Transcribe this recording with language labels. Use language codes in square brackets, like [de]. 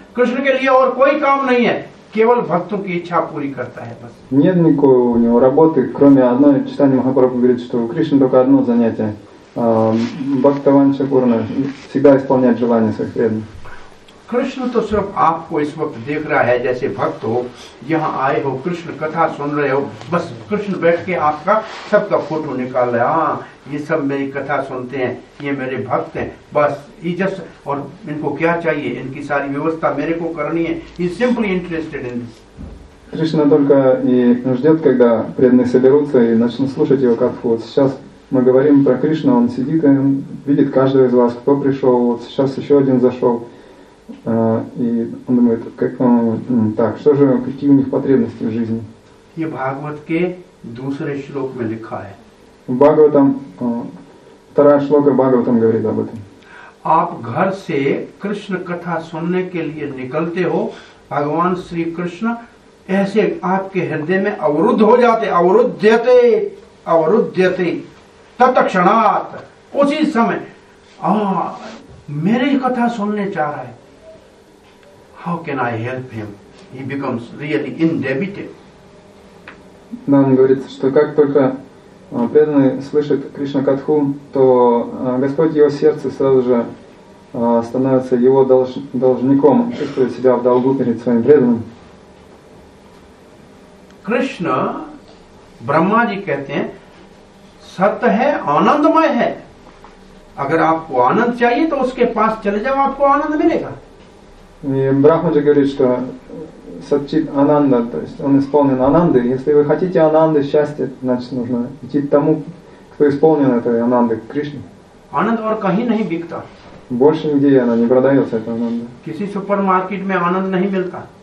[hi] कृष्ण के लिए और कोई काम नहीं है, केवल भक्तों की इच्छा पूरी करता है बस. [ru] Нет никакой у него работы, кроме одной. Чайтанья Махапрабху говорит, что Кришна только одно занятие. Бхактаванча пурна, всегда исполнять желания своих преданных. [hi] कृष्ण तो सिर्फ आपको इस वक्त देख रहा है, जैसे भक्त हो, यहाँ आए हो, कृष्ण कथा सुन रहे हो, बस कृष्ण बैठ के आपका सबका फोटो निकाल रहे, हाँ ये सब मेरी कथा सुनते हैं, ये मेरे भक्त हैं, बस ये जस्ट, और इनको क्या चाहिए, इनकी सारी व्यवस्था मेरे को करनी है, [en] He simply interested in this. [ru] कृष्ण только и ждет, когда преданные соберутся и начнут слушать его катху. Вот сейчас мы говорим про Кришну, он сидит и он видит каждого из вас, кто пришел. Вот сейчас еще один зашел. И он думает, как, так, что же, какие у них потребности в жизни? [hi] ये भागवत के दूसरे श्लोक में लिखा है. [ru] Бхагаватам, вторая шлока Бхагаватам говорит об этом. [hi] आप घर से कृष्ण कथा सुनने के लिए निकलते हो, भगवान श्री कृष्ण ऐसे आपके हृदय में अवरुद्ध हो जाते, अवरुद्धते, अवरुद्धते, तत्क्षणात, उसी समय, मेरे ही कथा सुनने चाह रहा है. [en] How can I help him? He becomes really indebted. [ru] Да, он говорит, что как только преданный слышит Кришна Катху, то Господь его сердце сразу же становится его должником, чувствует себя в долгу перед своим преданным. [hi] Кришна, Брахма ji कहते हैं, सत है, आनंदमय है. अगर आपको आनंद चाहिए, तो उसके पास चले जाओ, आपको आनंद मिलेगा. [ru] И Брахма же говорит, что сатчит ананда, то есть он исполнен ананды. Если вы хотите ананды, счастья, значит нужно идти к тому, кто исполнен этой ананды, к Кришне. [hi] Ананда और कहीं नहीं बिकता. [ru] Больше нигде она не продается, эта ананда. [hi] Киси супермаркет में ананд नहीं मिलता.